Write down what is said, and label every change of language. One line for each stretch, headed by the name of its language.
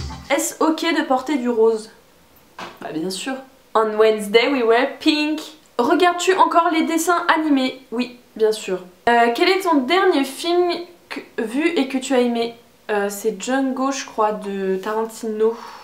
French: est-ce ok de porter du rose? Bah bien sûr.
English: On Wednesday we wear pink.
French: Regardes-tu encore les dessins animés? Oui, bien sûr. Quel est ton dernier film vu et que tu as aimé? C'est Django, je crois, de Tarantino.